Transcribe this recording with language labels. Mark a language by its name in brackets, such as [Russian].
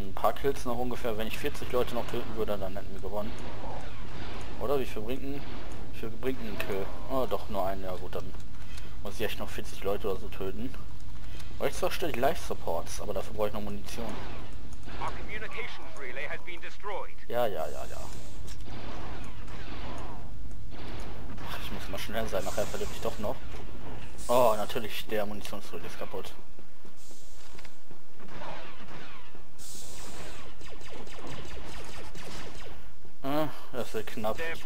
[German] Ein paar Kills noch ungefähr. Wenn ich 40 Leute noch töten würde, dann hätten wir gewonnen. Oder wie viel bringt einen Kill? Oh, doch nur einen. Ja gut, dann muss ich echt noch 40 Leute oder so töten. Aber ich zerstöre die Life Supports, aber dafür brauche ich noch Munition. [English] Our communications relay has been destroyed. [German] Ja. Ach, ich muss mal schnell sein, nachher verliere ich doch noch. Oh, natürlich, der Munitionsrelay ist kaputt. Das ist knapp.